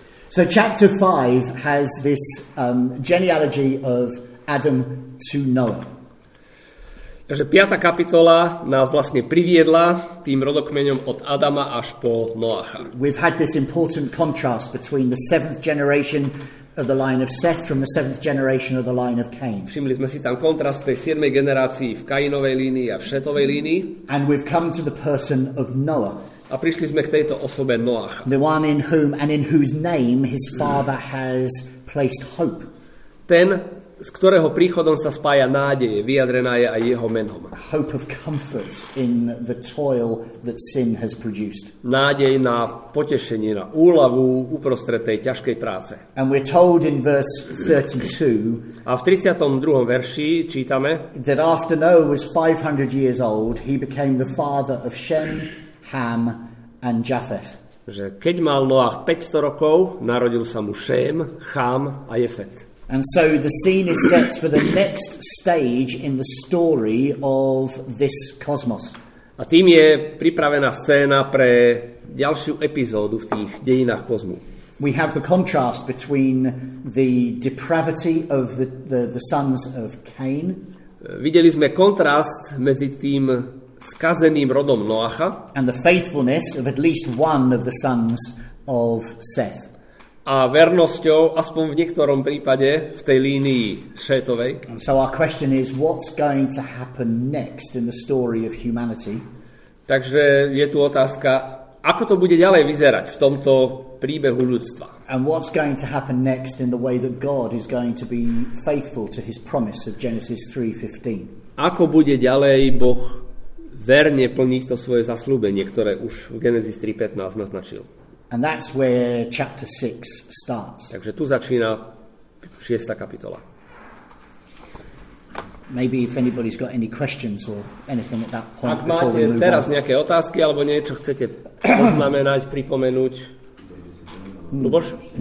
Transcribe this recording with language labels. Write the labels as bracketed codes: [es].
[en] So chapter 5 has this genealogy of Adam to Noah. [sk] Takže 5. kapitola nás vlastne priviedla tým rodokmeňom od Adama až po Noacha. [en] We've had this important contrast between the 7th generation of the line of Seth from the 7th generation of the line of Cain. [sk] Všimli sme si tam kontrast tej 7. generácii v Kainovej línii a v Šetovej línii. [en] And we've come to the person of Noah. [sk] A prišli sme k tejto osobe Noach. [en] The one in whom and in whose name his father has placed hope. [sk] Ten, z ktorého príchodom sa spája nádej, vyjadrená je aj jeho menom. [en] A hope of comfort in the toil that sin has produced. [sk] Nádej na potešenie, na úľavu uprostred tej ťažkej práce. [en] And we're told in verse 32. [sk] A v 32. verši čítame, [en] that after Noah was 500 years old, he became the father of Shem, Ham and Japheth. [sk] Že keď mal Noach 500 rokov, narodil sa mu Šém, Cham a Jefet. [en] And so the scene is set for the next stage in the story of this cosmos. [sk] A tým je pripravená scéna pre ďalšiu epizódu v tých dejinách kozmu. [en] We have the contrast between the depravity of the sons of Cain. [sk] Videli sme kontrast medzi tým skazeným rodom Noacha [en] and the faithfulness of at least one of the sons of Seth. [sk] A vernosťou aspoň v niektorom prípade v tej línii Šétovej. [en] And so our question is what's going to happen next in the story of humanity. [sk] Takže je tu otázka, ako to bude ďalej vyzerať v tomto príbehu ľudstva. [en] And what's going to happen next in the way that God is going to be faithful to his promise of Genesis 3:15. [sk] Ako bude ďalej Boh verne plniť to svoje zasľúbenie, ktoré už v Genesis 3:15 naznačil. [en] And that's where chapter 6 starts. [sk] Takže tu začína 6. kapitola. [en] Maybe if anybody's got any questions or anything at that point. [sk] Ak máte teraz nejaké otázky alebo niečo chcete poznamenať, pripomenúť. Luboš?